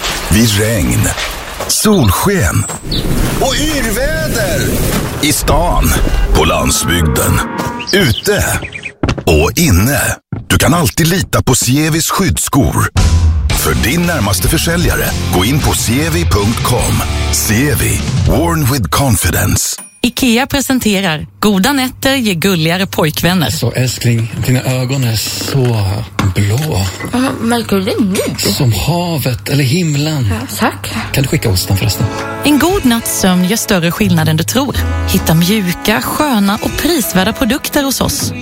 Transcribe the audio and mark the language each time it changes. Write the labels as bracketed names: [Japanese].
[Swedish] Vid regn, solsken och yrväder. I stan, på landsbygden, ute och inne. Du kan alltid lita på Sievis skyddsskor. För din närmaste försäljare, gå in på cevi.com. [English] Cevi, worn with confidence. [Swedish] IKEA presenterar Goda nätter ger gulligare pojkvänner. Så älskling, dina ögon är så blå. Märker du nu? Som havet eller himlen. Ja, tack. Kan du skicka osten förresten? En god natts sömn gör större skillnad än du tror. Hitta mjuka, sköna och prisvärda produkter hos oss.